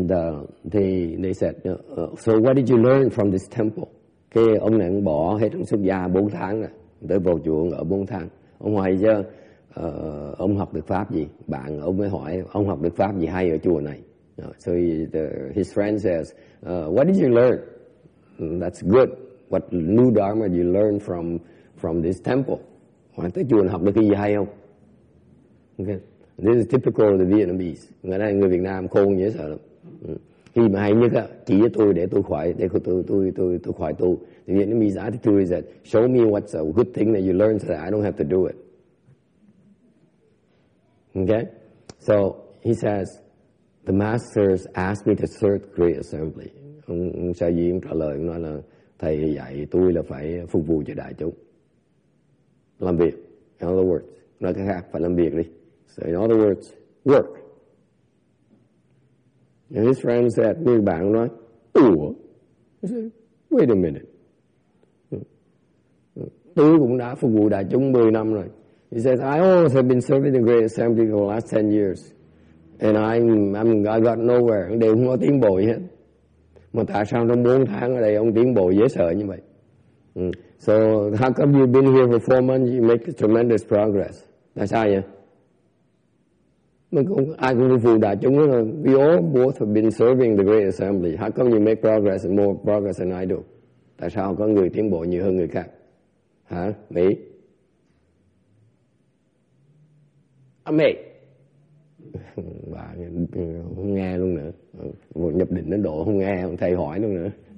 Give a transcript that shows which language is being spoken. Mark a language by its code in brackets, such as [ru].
[en] And they said, so what did you learn from this temple? [vi] Cái ông này cũng bỏ hết ông xuất gia 4 tháng rồi, tới vào chùa ở 4 tháng. Ông hỏi chứ, ông học được pháp gì? Bạn ông mới hỏi, ông học được pháp gì hay ở chùa này? [en] So his friend says, what did you learn? That's good. What new dharma did you learn from this temple? [vi] Hỏi tới chùa học được cái gì hay không? Okay. [en] This is typical of the Vietnamese. [vi] Người Việt Nam khôn dễ sợ lắm. Khi mà hay nhất á, chỉ cho tôi để tôi khỏi, để tôi khỏi tu. [en] The enemy's attitude is that show me what's a good thing that you learned so that I don't have to do it. Okay? So he says, the masters asked me to serve great assembly. [vi] Ông Sa Di trả lời, ông nói là thầy dạy tôi là phải phục vụ cho đại chúng. Làm việc. [en] In other words, [vi] nói cái khác, phải làm việc đi. [en] So in other words, work. And his friend said, [vi] người bạn nói, ủa? [en] He said, wait a minute. [vi] Tôi cũng đã phục vụ đại chúng 10 năm rồi. [en] He says, I always have been serving the great assembly for the last 10 years. And I got nowhere. [vi] Đều không có tiến bộ gì hết. Mà tại sao trong 4 tháng ở đây ông tiến bộ dễ sợ như vậy? [en] So how come you've been here for 4 months, you make tremendous progress? [vi] Tại sao vậy? Mình cũng, ai cũng phục vụ đại chúng đó. [en] We all both have been serving the great assembly. How come you make progress and more progress than I do? [vi] Tại sao có người tiến bộ nhiều hơn người khác? Hả? Mỹ? Âm mê. Bà không nghe luôn nữa. Một nhập định đến độ không nghe, không thầy hỏi luôn nữa.